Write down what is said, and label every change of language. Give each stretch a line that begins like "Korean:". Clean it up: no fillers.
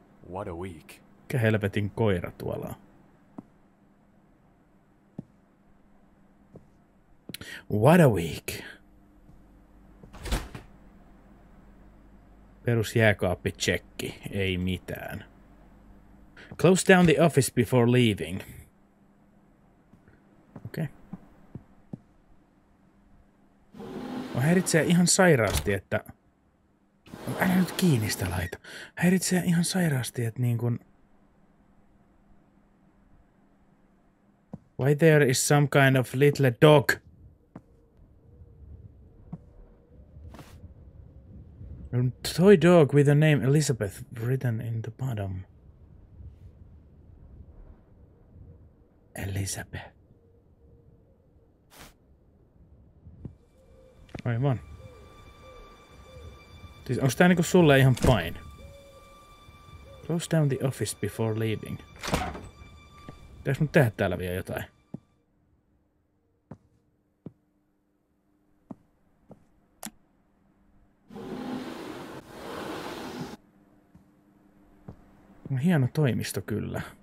English: What a week.
Finnish: Mikä helvetin koira tuolla?
English: What a week.
Finnish: Perus jääkaappi checki, ei mitään.
English: Close down the office before leaving. Okei. Okay.
Finnish: Mä häiritsee ihan sairaasti, että... Älä nyt kiinni sitä laita. Häiritsee ihan sairaasti, että niin kun...
English: Why there is some kind of little dog? A toy dog with the name Elizabeth written in the bottom. Elizabeth.
Finnish: Aivan. Siis onks tää niinku sulle ihan fine?
English: Close down the office before leaving.
Finnish: Pitääks mun tehdä täällä vielä jotain? On hieno toimisto kyllä.